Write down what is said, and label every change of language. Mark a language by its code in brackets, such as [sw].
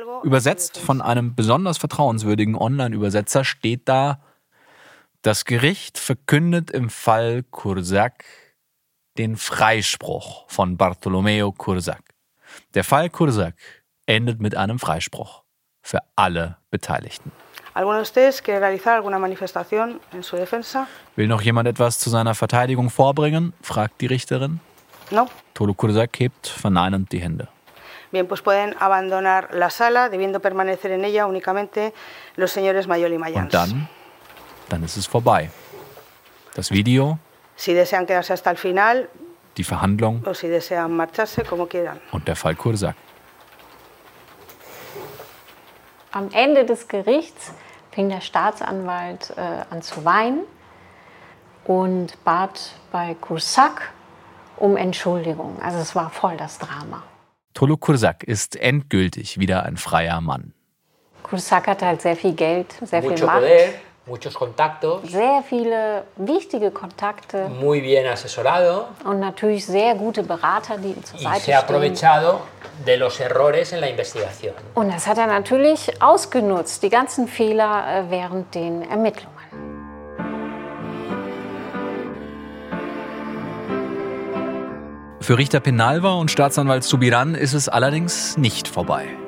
[de] Übersetzt von einem besonders vertrauenswürdigen Online-Übersetzer steht da: Das Gericht verkündet im Fall Cursac den Freispruch von Bartolomeo Cursac. Der Fall Cursac endet mit einem Freispruch für alle Beteiligten. Will noch jemand etwas zu seiner Verteidigung vorbringen? Fragt die Richterin. [es] No. [de] Tolo Cursac hebt verneinend die Hände. [es] Bien, pues pueden abandonar la sala, debiendo permanecer en ella únicamente los señores Mayol y Mayans. [de] Und dann? Dann ist es vorbei. Das Video, [es] si desean quedarse hasta el final, [de] die Verhandlung [es] o si desean marcharse, como quieran. [de] Und der Fall Cursac. Am Ende des Gerichts fing der Staatsanwalt an zu weinen und bat bei Cursac um Entschuldigung. Also es war voll das Drama. Tolo Cursac ist endgültig wieder ein freier Mann. Cursac hat halt sehr viel Geld, sehr [es] mucho [de] viel Macht. [es] Poder. Muchos contactos. [de] Sehr viele wichtige Kontakte. [es] Muy bien asesorado. [de] Und natürlich sehr gute Berater, die ihm zur [es] y [de] Seite stehen. [es] Se ha aprovechado de los errores en la investigación. [de] Und das hat er natürlich ausgenutzt, die ganzen Fehler während den Ermittlungen. Für Richter Penalva und Staatsanwalt Subiran ist es allerdings nicht vorbei.